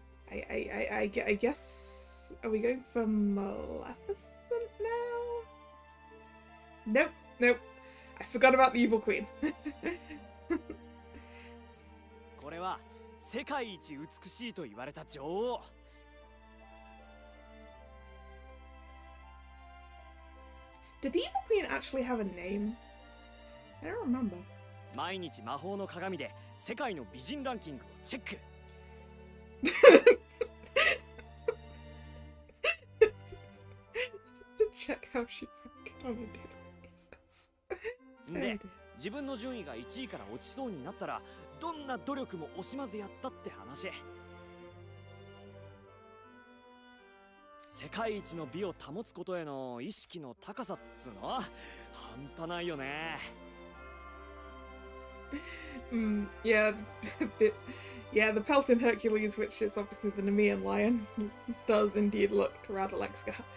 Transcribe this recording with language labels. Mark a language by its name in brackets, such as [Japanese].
[English] I guess, are we going for Maleficent now? Nope, I forgot about the Evil Queen. [Japanese] は世界一美しいと言われた女王。 [English] Did the evil queen actually have a name? I don't remember. [Japanese] 毎日魔法の鏡で世界の美人ランキングをチェック。 [English] Just check how she ranked on a daily basis. [Japanese] で、自分の順位が1位から落ちそうになったら、どんな努力も惜しまずやったって話。世界一の美を保つことへの意識の高さっつうのは半端ないよね。 [English] Yeah, the pelt in Hercules, which is obviously the Nemean lion, does indeed look rather like Scar.